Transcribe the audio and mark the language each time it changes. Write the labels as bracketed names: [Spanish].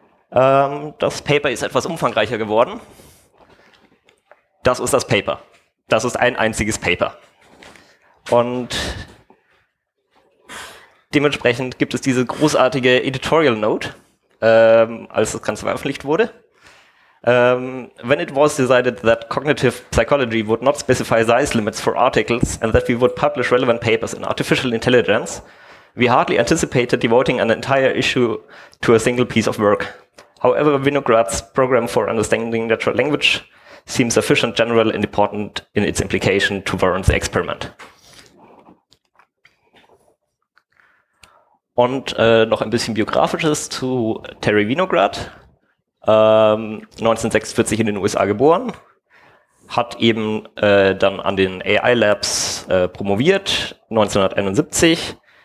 [German] Das Paper ist etwas umfangreicher geworden. Das ist das Paper. Das ist ein einziges Paper. Und dementsprechend gibt es diese großartige Editorial Note, als das Ganze veröffentlicht wurde. [English] When it was decided that cognitive psychology would not specify size limits for articles and that we would publish relevant papers in artificial intelligence, we hardly anticipated devoting an entire issue to a single piece of work. However, Winograd's program for understanding natural language seems sufficient general and important in its implication to warrant the experiment. [German] Und noch ein bisschen Biografisches zu Terry Winograd. 1946 in den USA geboren, hat eben dann an den AI Labs promoviert, 1971.